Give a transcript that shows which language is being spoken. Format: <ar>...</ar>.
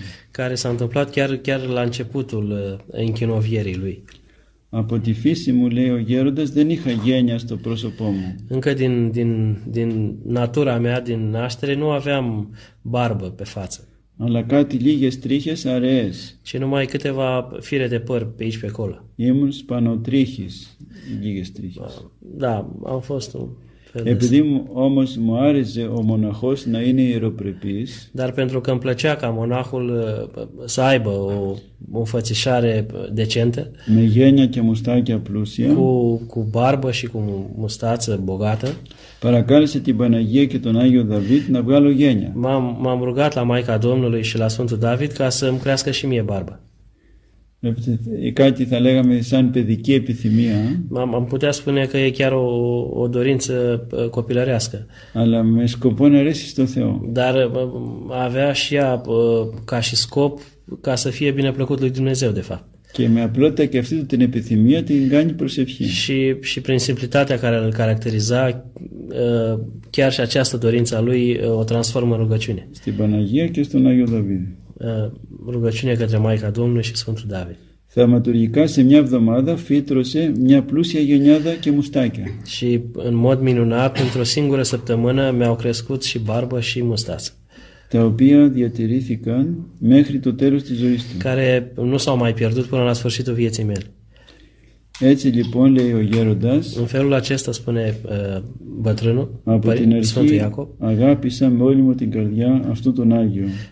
<ro>Care s-a întâmplat chiar la începutul închinovierii lui.</ro> <el>Από τη φύση μου, λέει ο γέροντας, δεν είχα γένεια στο πρόσωπό μου.</el> <ro>Încă din natura mea, din naștere, nu aveam barbă pe față.</ro> <el>Αλλά κάτι λίγες τρίχες αραιές.</el> <ro>Și numai câteva fire de păr pe aici pe acolo.</ro> <el>Ήμουν σπανοτρίχης, λίγες τρίχες.</el> <ro>Da, am fost un fel de...</ro> <el>Επειδή όμως μου άρεσε ο μοναχός να είναι ιεροπρεπής.</el> <ro>Dar pentru că îmi plăcea ca monahul să aibă o înfățișare decentă.</ro> <el>Με γένεια και μουστάκια πλούσια.</el> <ro>Cu barbă și cu mustață bogată.</ro> <el>Παρακάλεσε την Παναγία και τον Άγιο Δαβίδ να βγάλω γένεια.</el> <ro>M-am rugat la Maica Domnului și la Sfântul David ca să îmi crească și mie barbă.</ro> <el>E κάτι θα λέγαμε σαν παιδική επιθυμία.</el> <ro>M-am putea spune că e chiar o dorință copilărească.</ro> <el>Αλλά με σκοπό να αρέσει στον Θεό.</el> <ro>Dar avea și ea ca și scop ca să fie bineplăcut lui Dumnezeu, de fapt.</ro> <el>Και με απλότητα και αυτή την επιθυμία την κάνει προσευχή.</el> <ro>Și prin simplitatea care îl caracteriza, chiar și această dorință a lui o transformă în rugăciune.</ro> <el>Στην Παναγία και στον Άγιο Δαβίδ.</el> <ro>Rugăciune către Maica Domnului și Sfântul David.</ro> <el>Θεματουργικά σε μια εβδομάδα φύτρωσε μια πλούσια γενιάδα και μουστάκια.</el> <ro>Și în mod minunat, într-o singură săptămână, mi-au crescut și barbă și mustață.</ro> <el>Τα οποία διατηρήθηκαν μέχρι το τέλος της ζωής του.</el> <ro>Care nu s-au mai pierdut până la sfârșitul vieții mele.</ro> <el>Έτσι λοιπόν, λέει ο γέροντας,</el> <ro>în felul acesta spune bătrânul,</ro> <el>από την αρχή,</el> <ro>Sfântul Iacob,</ro> <el>αγάπησα με όλη μου την καρδιά αυτού τον Άγιο.</el>